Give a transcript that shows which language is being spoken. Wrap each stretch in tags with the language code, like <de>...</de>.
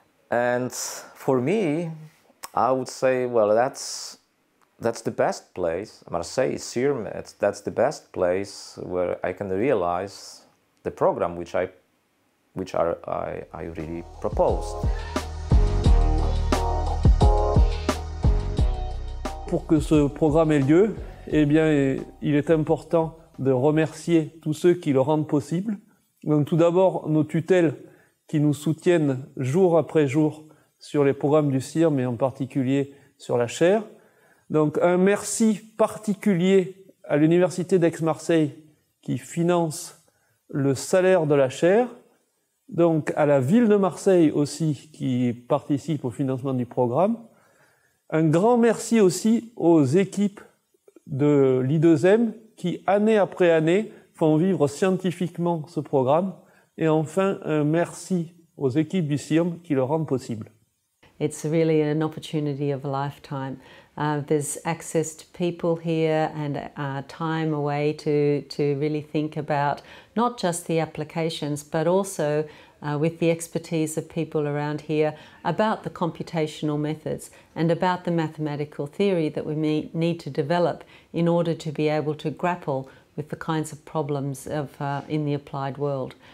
<en>And for me, I would say, well, that's the best place, Marseille, CIRM, that's the best place where I can realize the program which I really proposed.</en> <fr>Pour que ce programme ait lieu, eh bien, il est important de remercier tous ceux qui le rendent possible. Donc, tout d'abord, nos tutelles qui nous soutiennent jour après jour sur les programmes du CIRM et en particulier sur la chaire. Donc, un merci particulier à l'Université d'Aix-Marseille qui finance le salaire de la chaire. Donc, à la ville de Marseille aussi qui participe au financement du programme. Un grand merci aussi aux équipes de l'I2M qui, année après année, font vivre scientifiquement ce programme Et enfin, un merci aux équipes du CIRM qui le rendent possible.</fr> <en>It's really an opportunity of a lifetime. There's access to people here and time away to really think about not just the applications, but also with the expertise of people around here about the computational methods and about the mathematical theory that we need to develop in order to be able to grapple with the kinds of problems of in the applied world.</en>